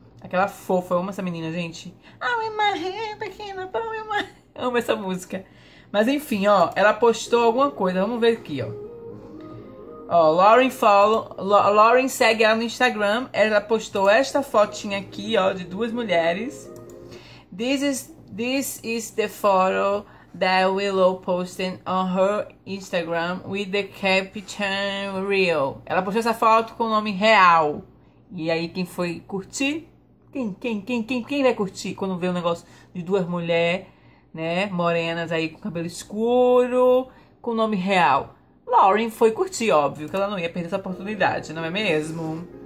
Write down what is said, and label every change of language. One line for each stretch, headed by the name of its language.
Portuguese: Aquela fofa. Eu amo essa menina, gente. Ah, minha mãe, pequena, pão, minha mãe. Eu amo essa música. Mas enfim, ó. Ela postou alguma coisa. Vamos ver aqui, ó. Ó,
English: Lauren follow.
Portuguese: Lauren segue ela no Instagram. Ela postou esta fotinha aqui, ó, de duas mulheres.
English: This is the photo that Willow posted on her Instagram with the caption real.
Portuguese: Ela postou essa foto com o nome real. E aí, quem foi curtir? Quem vai curtir quando vê um negócio de duas mulheres, né? Morenas aí com cabelo escuro, com o nome real. Lauren foi curtir, óbvio, que ela não ia perder essa oportunidade, não é mesmo?